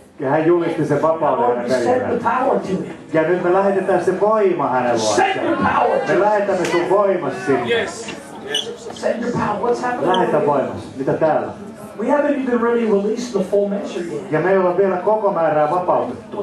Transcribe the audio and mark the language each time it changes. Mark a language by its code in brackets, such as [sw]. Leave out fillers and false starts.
[fi] Ja hän julisti sen vapauden hänen perilleen. Ja nyt me lähetetään se voima hänen luokseen. Me lähetämme sun voimasi sinne. [en] Yes. Send your power. What's happening? [fi] Lähetä voimasi. Mitä täällä? [en] We haven't even really released the full measure yet. [fi] Ja me ei olla vielä koko määrää vapautettu.